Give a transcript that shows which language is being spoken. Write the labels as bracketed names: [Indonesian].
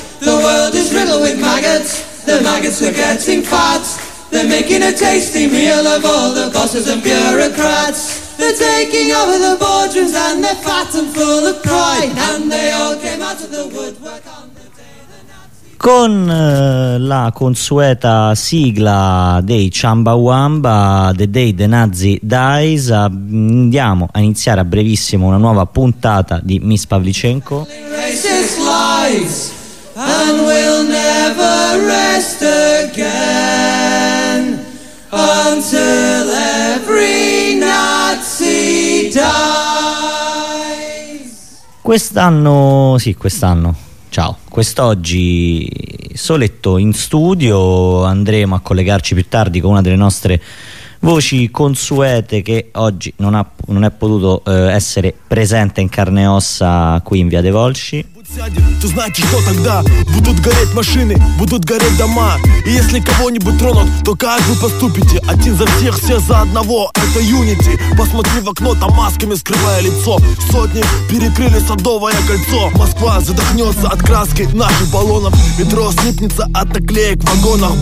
[English] The world is riddled with maggots, the maggots are getting fat. They're making a tasty meal of all the bosses and bureaucrats. They're taking over the boardrooms and they're fat and full of pride. And they all came out of the woodwork on the day the Nazi. [Italian] Con la consueta sigla dei Chumbawamba, The Day the Nazi Dies, andiamo a iniziare a brevissimo una nuova puntata di Miss Pavlicenko. [English] Racist lies and we'll never rest again until every Nazi dies. [Italian] Quest'anno, sì, quest'anno, ciao, quest'oggi Soletto in studio, andremo a collegarci più tardi con una delle nostre voci consuete che oggi non è potuto essere presente in carne e ossa qui in via De Volsci. [Russian] То значит, что тогда? Будут гореть машины, будут гореть дома. И если кого-нибудь тронут, то как вы поступите? Один за всех, все за одного. Это Unity. Посмотри в окно, там масками скрывая лицо. Сотни перекрыли Садовое кольцо. Москва задохнется от краски наших баллонов. Метро слипнется от наклеек в вагонах.